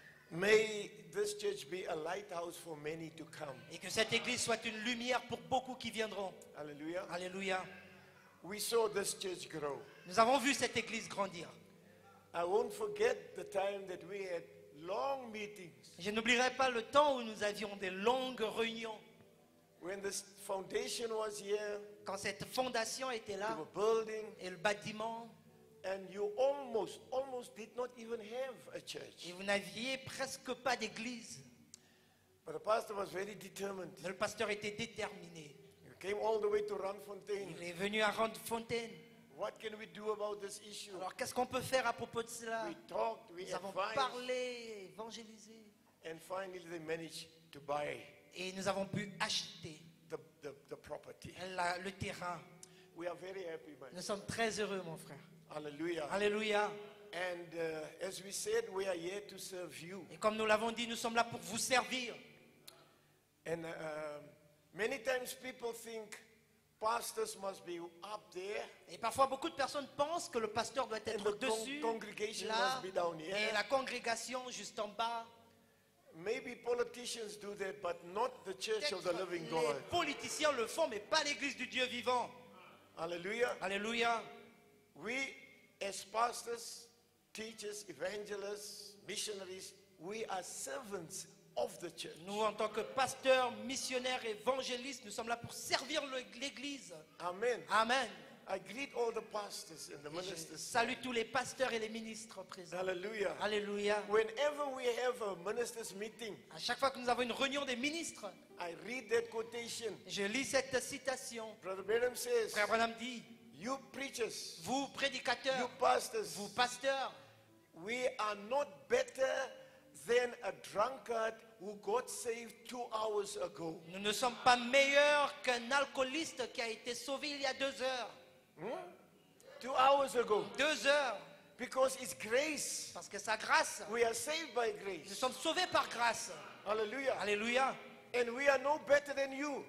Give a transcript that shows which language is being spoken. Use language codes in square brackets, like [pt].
[en] May this church be a lighthouse for many to come. [fr] Et que cette église soit une lumière pour beaucoup qui viendront. [en] Alléluia. [fr] Alléluia. [en] We saw this church grow. [fr] Nous avons vu cette église grandir. [en] I won't forget the time that we had long meetings. [fr] Je n'oublierai pas le temps où nous avions des longues réunions. [en] When this foundation was here, [fr] quand cette fondation était là, [en] the building, [fr] et le bâtiment, [en] and you almost did not even have a church. [fr] Et vous n'aviez presque pas d'église. [en] But the pastor was very determined. [fr] Mais le pasteur était déterminé. [en] He came all the way to Randfontein. [fr] Il est venu à Randfontein. [en] What can we do about this issue? [fr] Alors qu'est-ce qu'on peut faire à propos de cela? [en] We talked, we [fr] Nous avons [en] advised, [fr] parlé, évangélisé. [en] And finally they managed to buy. [fr] Et nous avons pu acheter [en] the property. [fr] Le terrain. [en] We are very happy, [fr] nous friend. Sommes très heureux, mon frère. [en] Alléluia. [fr] Alléluia. [en] And, as we said, we are here to serve you. [fr] Et comme nous l'avons dit, nous sommes là pour vous servir. [en] And, many times people think pastors must be up there. [fr] Et parfois, beaucoup de personnes pensent que le pasteur doit être au-dessus, [en] congregation là, must be down here. [fr] Et la congrégation juste en bas. [en] Maybe politicians do that, but not the church of the living God. [fr] Les politiciens le font, mais pas l'église du Dieu vivant. [en] Alléluia. [fr] Alléluia. [en] We, as pastors, teachers, evangelists, missionaries, we are servants of the church. [fr] Nous, en tant que pasteurs, missionnaires, évangélistes, nous sommes là pour servir l'église. [en] Amen. [fr] Amen. [en] I greet all the pastors and the ministers. [fr] Salut tous les pasteurs et les ministres présents. [en] Alléluia. [fr] Alléluia. [en] Whenever we have a ministers meeting. [fr] À chaque fois que nous avons une réunion des ministres. [en] I read that quotation. [fr] Je lis cette citation. [en] Brother Branham says. [fr] Frère Branham dit. [en] You preachers. [fr] Vous prédicateurs. [en] You pastors. [fr] Vous pasteurs. [en] We are not better than a drunkard who got saved 2 hours ago. [fr] Nous ne sommes pas meilleurs qu'un alcooliste qui a été sauvé il y a 2 heures. [en] Hmm? 2 hours ago. [fr] 2 heures. [en] Because it's grace. [fr] Parce que sa grâce. [en] We are saved by grace. [fr] Nous sommes sauvés par grâce. [en] Alléluia. [fr] Alléluia. [en] And we are no better than you.